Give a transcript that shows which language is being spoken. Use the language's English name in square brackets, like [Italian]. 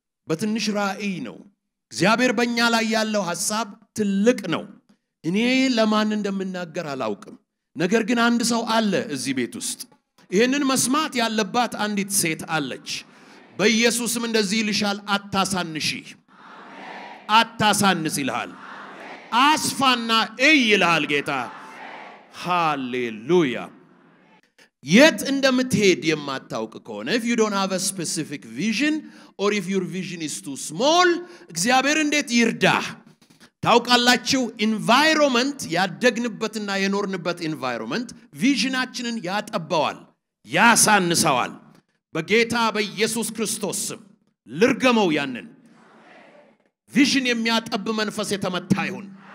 [Amharic] በትንሽ ራእይ ነው እግዚአብሔር በእኛ ላይ ያለው ሐሳብ ትልቅ ነው እኔ ለማን እንደምናገር አላውቅም ነገር ግን አንድ ሰው አለ እዚህ ቤት ውስጥ ይሄንን መስማት ያለባት አንዲት ሴት አለች በኢየሱስም እንደዚህ ይልሻል አታሳንሺ አታሳንስ ይልሃል አስፋና እይ ይልሃል ጌታ ሃሌሉያ የት እንደምትሄድ የማታውቅ ከሆነ, [English] if you don't have a specific vision or if your vision is too small, [Amharic] እግዚአብሔር እንዴት ይርዳ? ታውቃላችሁ, environment ያደግንበትና የኖርንበት environment visionአችንን ያጠባዋል, ያሳንሰዋል. በጌታ በኢየሱስ ክርስቶስ ልርገመው ያንን vision የሚያጠብ መንፈስ የተመታ ይሁን.